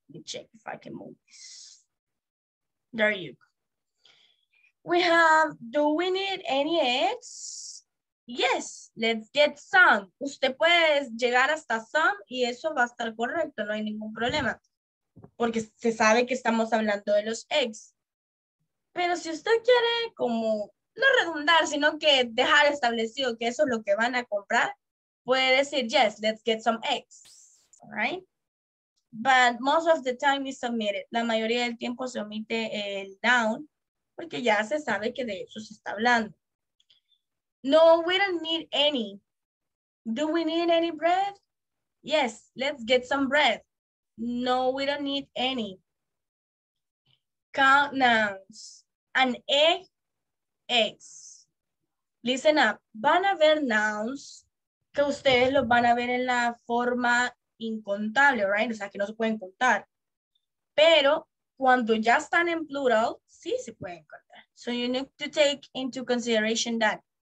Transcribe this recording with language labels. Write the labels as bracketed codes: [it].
[en] Let me check if I can move this. There you go. We have, do we need any eggs? Yes, let's get some. [es] Usted puede llegar hasta some y eso va a estar correcto, no hay ningún problema. Porque se sabe que estamos hablando de los eggs. Pero si usted quiere como no redundar, sino que dejar establecido que eso es lo que van a comprar, puede decir, [en] yes, let's get some eggs. All right? But most of the time is omitted. [es] La mayoría del tiempo se omite el noun porque ya se sabe que de eso se está hablando. [en] No, we don't need any. Do we need any bread? Yes, let's get some bread. No, we don't need any. Count nouns. An egg, eggs. Listen up. [es] Van a ver nouns que ustedes los van a ver en la forma incontable, right? O sea, que no se pueden contar. Pero cuando ya están en plural, sí se pueden contar. [en] So you need to take into consideration that.